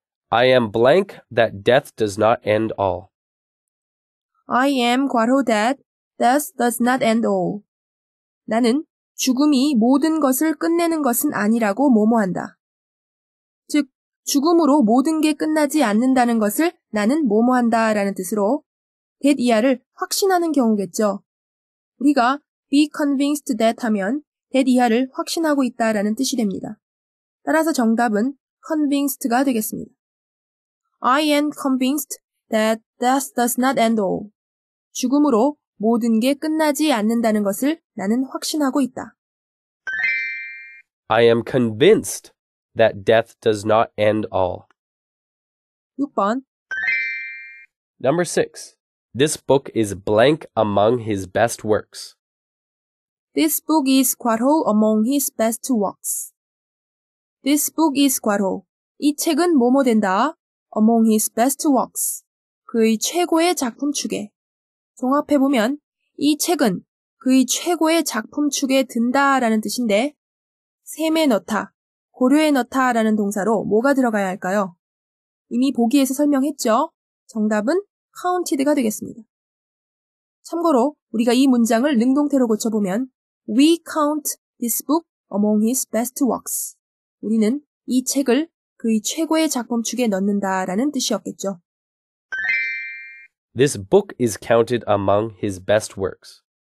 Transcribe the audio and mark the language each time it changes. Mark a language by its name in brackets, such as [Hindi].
[English] I am blank that death does not end all. I am 괄호 that death does not end all. [Korean] 나는 죽음이 모든 것을 끝내는 것은 아니라고 뭐뭐한다. 즉, 죽음으로 모든 게 끝나지 않는다는 것을 나는 뭐뭐한다 라는 뜻으로 that 이하를 확신하는 경우겠죠. 우리가 [English] be convinced that [Korean] 하면 that 이하를 확신하고 있다 라는 뜻이 됩니다. 따라서 정답은 convinced가 되겠습니다. [English] I am convinced that death does not end all. [Korean] 죽음으로 모든 게 끝나지 않는다는 것을 나는 확신하고 있다. [English] I am convinced that death does not end all. [Korean] 6번 [English] Number 6. This book is blank among his best works. This book is 괄호 among his best works. This book is 괄호 [Korean] 이 책은 뭐뭐 된다? [English] Among his best works. [Korean] 그의 최고의 작품 축에. 종합해보면 이 책은 그의 최고의 작품 축에 든다 라는 뜻인데 셈에 넣다, 고려에 넣다 라는 동사로 뭐가 들어가야 할까요? 이미 보기에서 설명했죠? 정답은 counted가 되겠습니다. 참고로 우리가 이 문장을 능동태로 고쳐보면 [English] We count this book among his best works. [Korean] 우리는 이 책을 그의 최고의 작품 축에 넣는다 라는 뜻이었겠죠. [English] This book is counted among his best works.